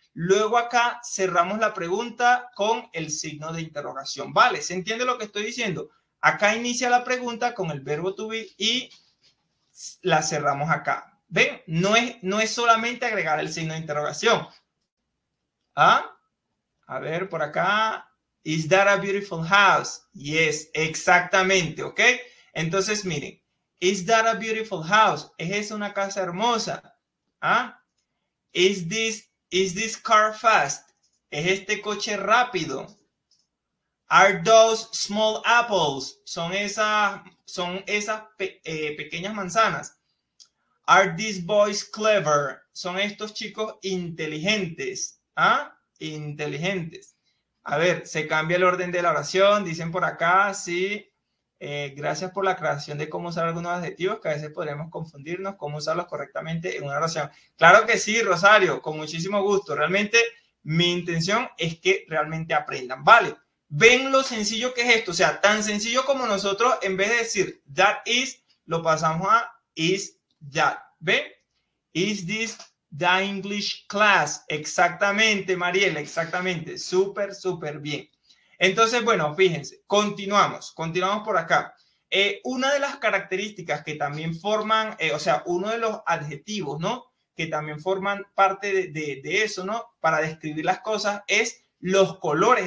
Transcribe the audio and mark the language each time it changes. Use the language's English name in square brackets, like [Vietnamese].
[Spanish] Luego acá cerramos la pregunta con el signo de interrogación. ¿Vale? ¿Se entiende lo que estoy diciendo? Acá inicia la pregunta con el verbo to be y la cerramos acá. ¿Ven? No es solamente agregar el signo de interrogación. ¿Ah? A ver, por acá. [English] Is that a beautiful house? Yes, [Spanish] exactamente. ¿Ok? Entonces, miren. [English] Is that a beautiful house? [Spanish] ¿Es esa una casa hermosa? ¿Ah? [English] Is this car fast? [Spanish] ¿Es este coche rápido? [English] Are those small apples? [Spanish] ¿Son esas pequeñas manzanas? [English] Are these boys clever? [Spanish] ¿Son estos chicos inteligentes? ¿Ah? Inteligentes. A ver, se cambia el orden de la oración. Dicen por acá, sí. Gracias por la aclaración de cómo usar algunos adjetivos que a veces podríamos confundirnos, cómo usarlos correctamente en una oración. Claro que sí, Rosario, con muchísimo gusto. Realmente, mi intención es que realmente aprendan, ¿vale? ¿Ven lo sencillo que es esto? O sea, tan sencillo como nosotros, en vez de decir that is, lo pasamos a is that. ¿Ven? [English] Is this the English class? [Spanish] Exactamente, Mariela, exactamente. Súper, súper bien. Entonces, bueno, fíjense, continuamos por acá. Una de las características que también forman, o sea, uno de los adjetivos, ¿no? Que también forman parte de eso, ¿no? Para describir las cosas es los colores.